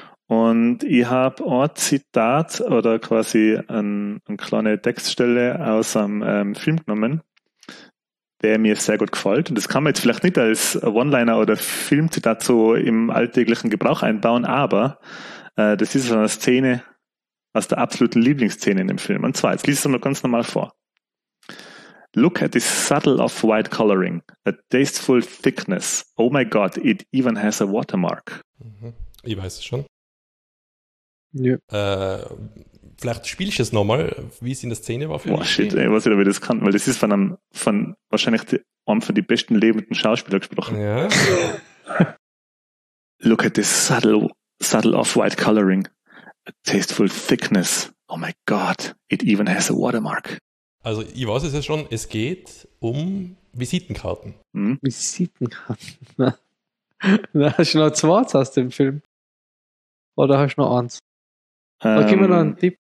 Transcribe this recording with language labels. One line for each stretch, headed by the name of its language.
German: Und ich habe ein Zitat oder quasi eine kleine Textstelle aus einem Film genommen, der mir sehr gut gefällt. Und das kann man jetzt vielleicht nicht als One-Liner oder Filmzitat so im alltäglichen Gebrauch einbauen, aber das ist eine Szene aus der absoluten Lieblingsszene in dem Film. Und zwar, jetzt lese ich es mal ganz normal vor.
English: Look at this subtle of white coloring, a tasteful thickness. Oh my God, it even has a watermark.
German: Ich weiß es schon. Ja. Vielleicht spiele ich es nochmal, wie es in der Szene war. Oh shit, ey, was ich da wieder das kann, weil das ist von wahrscheinlich einem von den besten lebenden Schauspielern gesprochen. Ja.
English: Look at this subtle of white coloring, a tasteful thickness. Oh my God, it even has a watermark.
German: Also ich weiß es ja schon, es geht um Visitenkarten. Hm? Visitenkarten? Na, hast du noch zwei aus dem Film? Oder hast du noch eins? Gib mir noch einen Tipp.